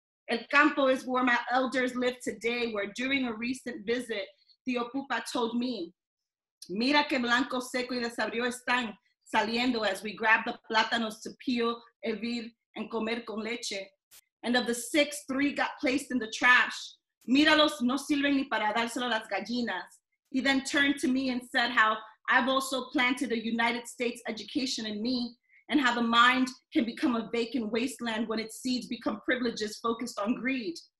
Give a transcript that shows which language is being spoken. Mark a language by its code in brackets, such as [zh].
[en] El Campo is where my elders live today, where during a recent visit, Tio Pupa told me, [es] mira que blanco seco y desabrido están saliendo [en] as we grab the plátanos to peel, hervir, and [es] comer con leche. [en] And of the 6, 3 got placed in the trash. [es] Míralos, no sirven ni para dárselo a las gallinas. [en] He then turned to me and said how I've also planted a United States education in me and how the mind can become a vacant wasteland when its seeds become privileges focused on greed.